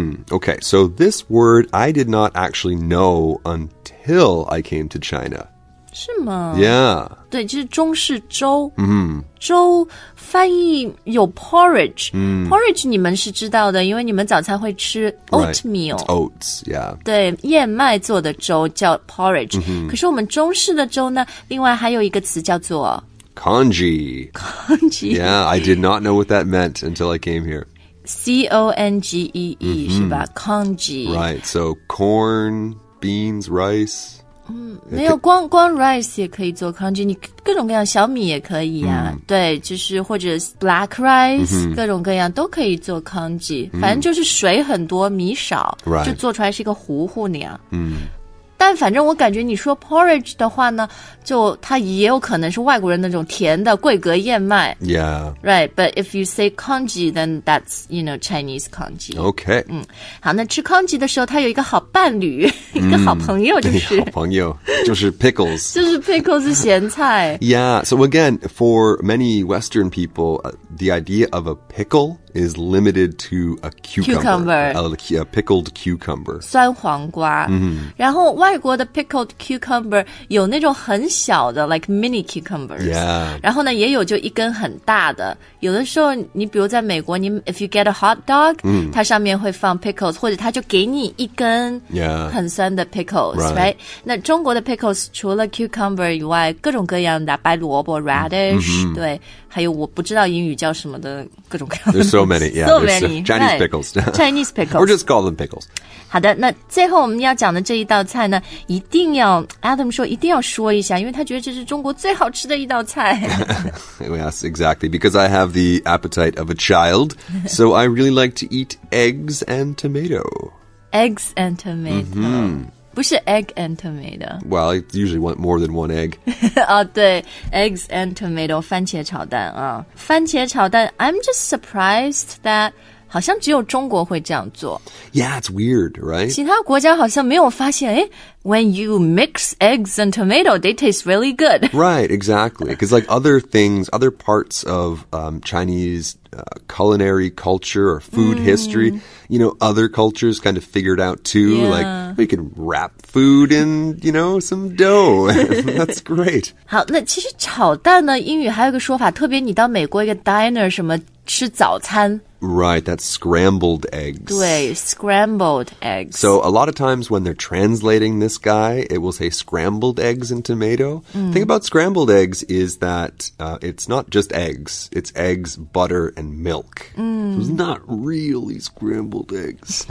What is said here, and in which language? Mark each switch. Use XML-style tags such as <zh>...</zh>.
<en>Okay, so this word I did not actually know until I came to China.</en> <zh>是吗</zh> <en>？Yeah.</en> <zh>对，就是中式粥。 Mm-hmm. 粥翻译有 porridge.、Mm. Porridge 你们是知道的，因为你们早餐会吃 oatmeal.、</zh> <en>Right. Oats, yeah.</en> <zh>对，燕麦做的粥叫 porridge.、Mm-hmm. 可是我们中式的粥呢，另外还有一个词叫做</zh> <en>congee. Congee. Yeah, I did not know what that meant until I came here. C-O-N-G-E-E,、mm-hmm.</en> <zh>是吧</zh> <en>?Congee. Right, so corn, beans, rice...</en> <zh>嗯，没有光 rice 也可以做 congee， 你各种各样小米也可以啊。Mm-hmm. 对，就是或者 black rice，、mm-hmm. 各种各样都可以做 congee。 Mm-hmm. 反正就是水很多，米少，</zh> <en>right.</en> <zh>就做出来是一个糊糊那样。嗯、mm-hmm. ，但反正我感觉你说 porridge 的话呢，就它也有可能是外国人那种甜的桂格燕麦。</zh> <en>Yeah， right。 But if you say congee， then that's you know Chinese congee。 Okay。</en> <zh>嗯，好，那吃 congee 的时候，它有一个好伴侣。一个好朋友就是、好朋友就是 pickles 就是 pickles 咸菜</zh> <en>Yeah, so again, for many Western people, the idea of a pickle is limited to a cucumber, a pickled cucumber</en> <zh>酸黄瓜、 mm-hmm. 然后外国的 pickled cucumber 有那种很小的</zh> <en>like mini cucumbers、 yeah.</en> <zh>然后呢也有就一根很大的有的时候你比如在美国你</zh> <en>if you get a hot dog、 mm.</en> <zh>它上面会放 pickles 或者它就给你一根很酸的 pickles、</zh> <en>yeah. right?</en> <zh>那中国的 pickles 除了 cucumber 以外各种各样的白萝卜 radish、 mm-hmm. 对还有我不知道英语叫什么的各种各样的</zh> <en>There's so many, yeah. So many. Chinese pickles. Chinese pickles. Or just call them pickles.</en> <zh>好的，那最后我们要讲的这一道菜呢，一定要 Adam 说一定要说一下，因为他觉得这是中国最好吃的一道菜。</zh> <en>Yes, exactly. Because I have the appetite of a child, so I really like to eat eggs and tomato. Eggs and tomato. Mm-hmm.</en> <zh>不是</zh> <en>egg and tomato. Well, I usually want more than one egg.</en> <zh>哦、oh, ，对 ，</zh> <en>eggs and tomato,</en> <zh>番茄炒蛋啊、哦，番茄炒蛋。</zh> <en>I'm just surprised that</en> <zh>好像只有中国会这样做。</zh> <en>Yeah, it's weird, right?</en> <zh>其他国家好像没有发现。</zh> <en>哎 ，when you mix eggs and tomato, they taste really good. Right, exactly. Because like other things, other parts of Chinese culinary culture or food、mm. history, you know, other cultures kind of figured out too,、 yeah. like. We can wrap food in, you know, some dough. That's great.</en> <zh>好，那其实炒蛋呢，英语还有个说法，特别你到美国一个 diner 什么吃早餐</zh> <en>Right, that's scrambled eggs. 对, scrambled eggs. So a lot of times when they're translating this guy, it will say scrambled eggs and tomato. The thing about scrambled eggs is that it's not just eggs. It's eggs, butter, and milk. So it's not really scrambled eggs.</en>